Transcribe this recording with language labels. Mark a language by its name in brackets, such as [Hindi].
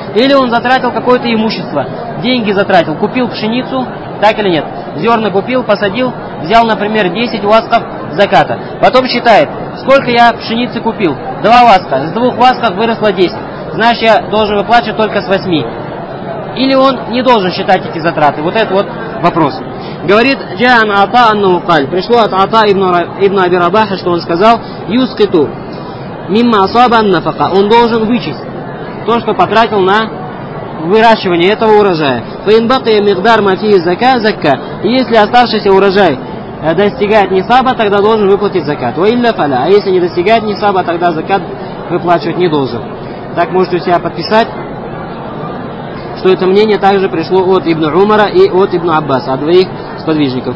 [Russian] Или он затратил какое-то имущество, деньги затратил, купил пшеницу, так или нет? Зерна купил, посадил, взял, например, 10 уасков заката. Потом считает, сколько я пшеницы купил? 2 уаска. С 2 уасков выросло 10. Значит, я должен выплачивать только с 8. Или он не должен считать эти затраты? Вот это вот вопрос. Говорит, [Arabic] جاءن عطاء أنه قال. [Russian] Пришло от [Arabic] عطاء ابن أبي رباح, [Russian] что он сказал, [Arabic] يسقط مما أصاب النفقة. [Russian] Он должен вычесть то, что потратил на выращивание этого урожая. [Arabic] فإن بقي مقدار ما فيه الزكاة زكا. [Russian] Если оставшийся урожай достигает нисаба, тогда должен выплатить закат. [Arabic] وإلا فلا. [Russian] А если не достигает нисаба, тогда закат выплачивать не должен. Так можете у себя подписать, что это мнение также пришло от Ибн Умара и от Ибн Аббаса, от двоих сподвижников.